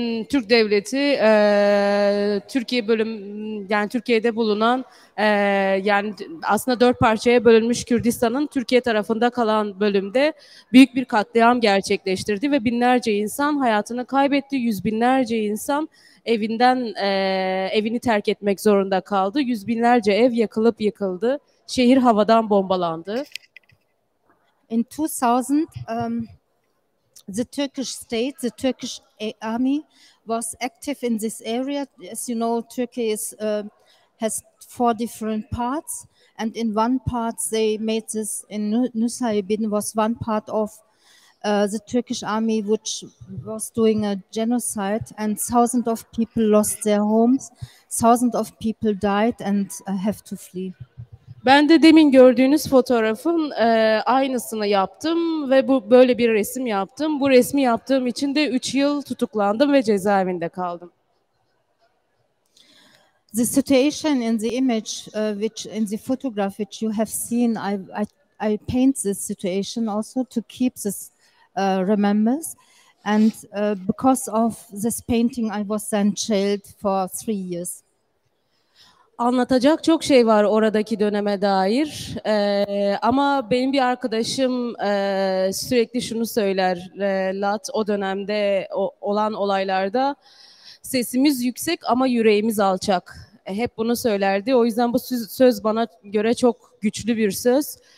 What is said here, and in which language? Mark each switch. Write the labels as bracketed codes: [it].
[tr] Türk devleti Türkiye bölüm yani Türkiye'de bulunan yani aslında dört parçaya bölünmüş Kürdistan'ın Türkiye tarafında kalan bölümde büyük bir katliam gerçekleştirdi ve binlerce insan hayatını kaybetti. Yüz binlerce insan evinden evini terk etmek zorunda kaldı. Yüz binlerce ev yakılıp yıkıldı. Şehir havadan bombalandı. [en] In 2000 the Turkish state, the Turkish army was active in this area. As you know, Turkey is, has four different parts, and in one part they made this, in Nusaybin was one part of the Turkish army which was doing a genocide, and thousands of people lost their homes, thousands of people died and have to flee. [tr] Ben de demin gördüğünüz fotoğrafın aynısını yaptım ve bu böyle bir resim yaptım. Bu resmi yaptığım için de 3 yıl tutuklandım ve cezaevinde kaldım. [en] The situation in the image which in the photograph which you have seen, I paint this situation also to keep this remembrance, and because of this painting I was then jailed for 3 years. [tr] Anlatacak çok şey var oradaki döneme dair. Ama benim bir arkadaşım sürekli şunu söyler. Lat o dönemde olan olaylarda sesimiz yüksek ama yüreğimiz alçak. Hep bunu söylerdi. O yüzden bu söz bana göre çok güçlü bir söz.